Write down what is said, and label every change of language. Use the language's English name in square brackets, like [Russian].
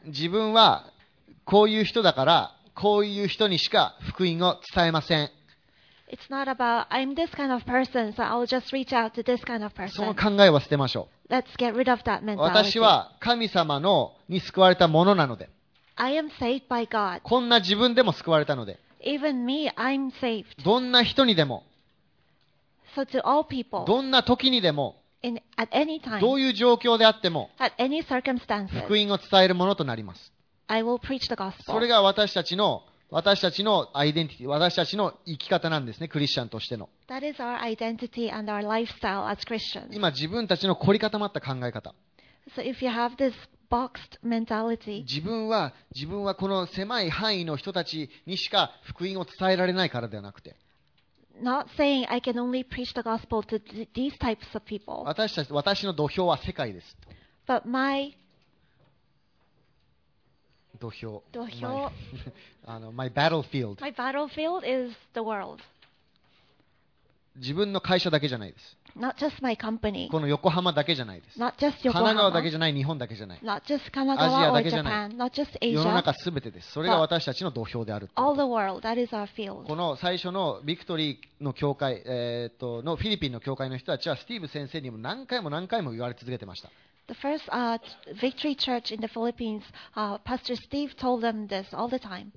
[Japanese] 自分はこういう人だから、こういう人にしか福音を伝えません。 [English] It's not about I'm this kind of person, so I'll just reach out to this kind of person. [Japanese] その考えは捨てましょう。 [English] Let's get rid of that mentality. [Japanese] 私は神様のに救われたものなので。 [English] I am saved by God. [Japanese] こんな自分でも救われたので。 [English] Even me, I'm saved. [Japanese] どんな人にでも、 [English] so、to all people, [Japanese] どんな時にでも [English] in, at any time, [Japanese] どういう状況であっても [English] at any circumstances, [Japanese] 福音を伝えるものとなります。 [English] I will preach the gospel. [Japanese] それが私たちのアイデンティティ、私たちの生き方なんですね、クリスチャンとしての。 [English] That is our identity and our lifestyle as Christians. [Japanese] 今自分たちの凝り固まった考え方、 [English] so if you have this boxed mentality, [Japanese] 自分はこの狭い範囲の人たちにしか福音を伝えられないからではなくて、 [English] Not saying I can only preach the gospel to these types of people. [Japanese] 私の土俵は世界です。 [English] But my 土俵 my battlefield. My battlefield is the world. [Japanese] 自分の会社だけじゃないです。 [English] Not just my company. [Japanese] この横浜だけじゃないです。 [English] Not just [Japanese] 神奈川だけじゃない、日本だけじゃない。 [English] Not just 神奈川 [Japanese] アジアだけじゃない。 [English] Not just Asia. [Japanese] 世の中すべてです。それが私たちの土俵であると [English] 。 All the world, that is our field. [Japanese] この最初のビクトリーの教会、のフィリピンの教会の人たちはスティーブ先生にも何回も何回も言われ続けてました。 [English] The first Victory Church in the Philippines, Pastor Steve told them this all the time.